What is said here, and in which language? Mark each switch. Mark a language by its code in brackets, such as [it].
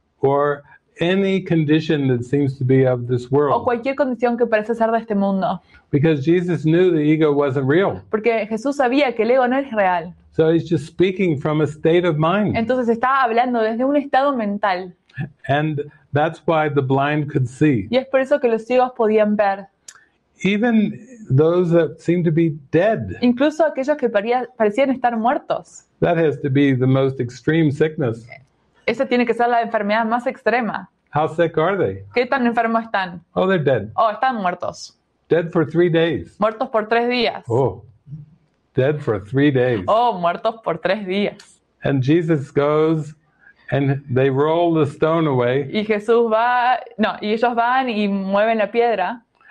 [en] Or any condition that seems to be of this world. [es] O cualquier condición que parece ser de este mundo. [en] Because Jesus knew the ego wasn't real. [es] Porque Jesús sabía que el ego no es real. [en] So he's just speaking from a state of mind. [es] Entonces está hablando desde un estado mental. [en] And that's why the blind could see. [es] Y es por eso que los ciegos podían ver. [en] Even those that seem to be dead. [es] Incluso aquellos que parecían estar muertos. [en] That has to be the most extreme sickness. [es] Esa tiene que ser la enfermedad más extrema. [en] How sick are they? [es] ¿Qué tan enfermos están? [en] Oh, they're dead. [es] Oh, están muertos. [en] Dead for 3 days. [es] Muertos por 3 días. [en] Oh, dead for 3 days. [es] Oh, muertos por 3 días. [en] And Jesus goes, and they roll the stone away. [es] Y Jesús va, no, y ellos van y mueven la piedra.